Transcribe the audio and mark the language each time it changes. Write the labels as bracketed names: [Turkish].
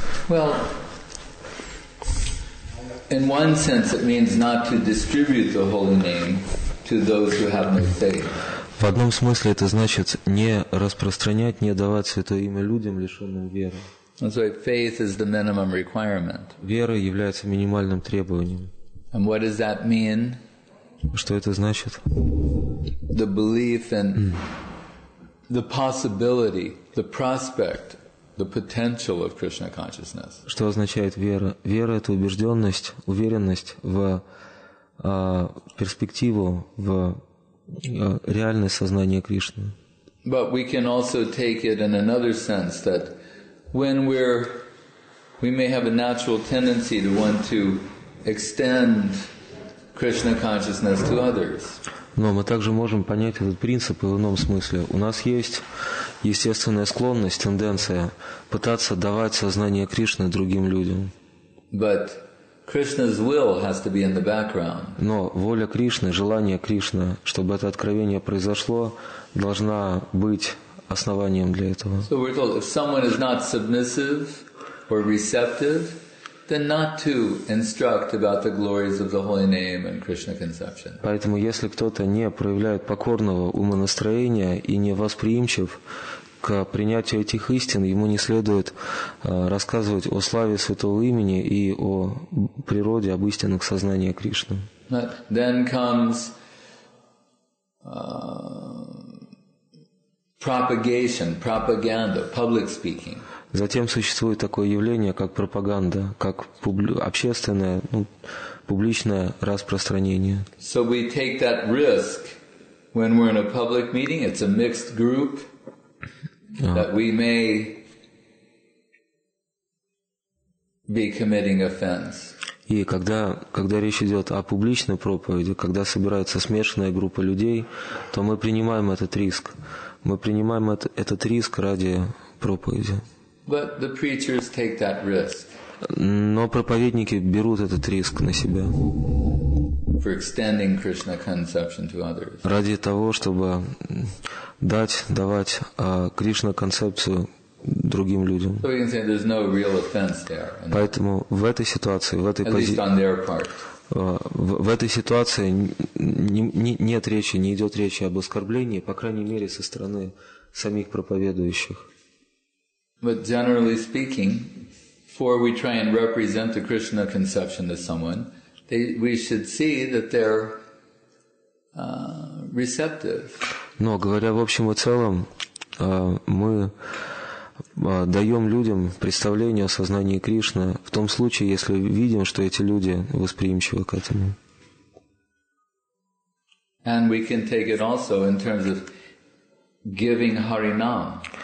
[English] Well, in one sense, it means not to distribute the holy name to those who have no faith. [Russian] В одном смысле это значит не распространять, не давать святое имя людям, лишенным веры. [English] And so faith is the minimum requirement. [Russian] Вера является минимальным требованием. [English] And what does that mean? [Russian] Что это значит? [English] The belief and the possibility, the prospect. The potential of Krishna consciousness. [Russian] Что означает вера? Вера — это убежденность, уверенность в перспективу, в реальность сознания Кришны. [English] But we can also take it in another sense that when we may have a natural tendency to want to extend Krishna consciousness to others. [Russian] Но мы также можем понять этот принцип в ином смысле. У нас есть естественная склонность, тенденция пытаться давать сознание Кришны другим людям. [English] But Krishna's will has to be in the background. [Russian] Но воля Кришны, желание Кришны, чтобы это откровение произошло, должна быть основанием для этого. [English] So we're told, if someone is not submissive or receptive, then not to instruct about the glories of the holy name and Krishna conception. [Russian] Поэтому если кто-то не проявляет покорного умонастроения и не восприимчив к принятию этих истин, ему не следует рассказывать о славе святого имени и о природе, об истинах сознания Кришны. [English] But then comes propagation, propaganda, public speaking. [Russian] Затем существует такое явление, как пропаганда, как общественное, ну, публичное распространение. [English] So we take that risk when we're in a public meeting, it's a mixed group, that we may be committing offense. [Russian] И когда речь идет о публичной проповеди, когда собирается смешанная группа людей, то мы принимаем этот риск. Мы принимаем этот риск ради проповеди. [English] But the preachers take that risk. [Russian] Но проповедники берут этот риск на себя. [English] For extending Krishna conception to others. [Russian] Ради того, чтобы давать Кришна концепцию другим людям. [English] So we can say there's no real offense there. [Russian] Поэтому в этой ситуации, в этой позиции. [English] At least on their part. [Russian] В этой ситуации нет речи, не идет речи об оскорблении, по крайней мере, со стороны самих проповедующих. [English] But generally speaking, before we try and represent the Krishna conception to someone, we should see that they're receptive. [Russian] Но говоря в общем и целом, мы даем людям представление о сознании Кришны в том случае, если видим, что эти люди восприимчивы к этому. [English] And we can take it also in terms of giving Harinam.